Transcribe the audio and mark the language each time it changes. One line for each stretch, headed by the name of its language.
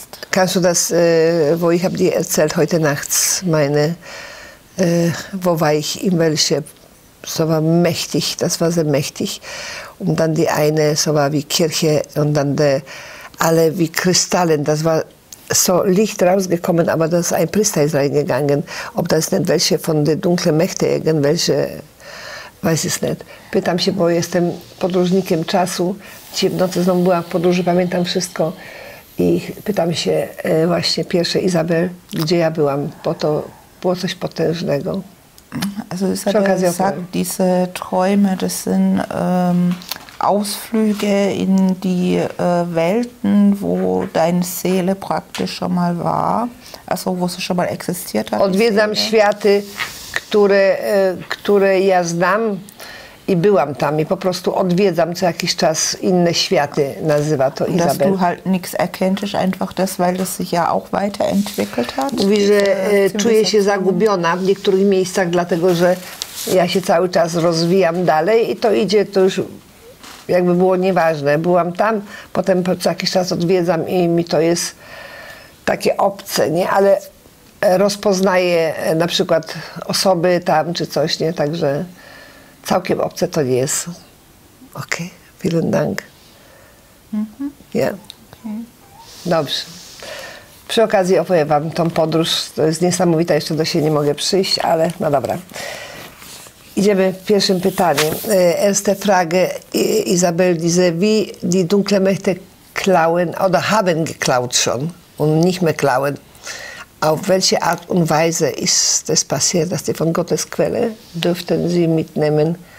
German: Kannst du das, wo ich habe dir erzählt heute nachts, meine, wo war ich, in welche, so war mächtig, das war sehr mächtig. Und dann die eine, so war wie Kirche und dann die, alle wie Kristallen, das war so Licht rausgekommen, aber das ist ein Priester ist reingegangen. Ob das nicht welche von den dunklen Mächten, irgendwelche, Weiß ich nicht.
Polish: Pytam się, bo jestem podróżnikiem czasu. Dzisiaj w nocy znowu byłam w podróży, pamiętam wszystko. I pytam się właśnie pierwsze Izabel, gdzie ja byłam, bo to było coś potężnego.
German: Also Isabel sagt, diese Träume, das sind Ausflüge in die Welten, wo deine Seele praktisch schon mal war, also wo sie schon mal existiert hat.
Polish: Odwiedzam światy, które, które ja znam i byłam tam i po prostu odwiedzam co jakiś czas inne światy, nazywa to Isabel.
German: Dass du halt nichts erkenntest, einfach das, weil es sich ja auch weiterentwickelt hat.
Polish: Mówi, że czuję się zagubiona w niektórych miejscach, dlatego że ja się cały czas rozwijam dalej i to idzie, to już jakby było nieważne. Byłam tam, potem po jakiś czas odwiedzam i mi to jest takie obce, nie? Ale rozpoznaję na przykład osoby tam czy coś, nie? Także całkiem obce to nie jest. Okej,
German: okay. Vielen Dank. Mhm. Yeah.
Polish: Dobrze. Przy okazji opowiem wam tą podróż. To jest niesamowita, jeszcze do siebie nie mogę przyjść, ale no dobra. Idziemy pierwszym pytaniem.
German: Erste Frage, Isabel, diese, wie die dunkle Mächte klauen oder haben geklaut schon und nicht mehr klauen. Auf welche Art und Weise ist das passiert, dass die von Gottes Quelle dürften sie mitnehmen?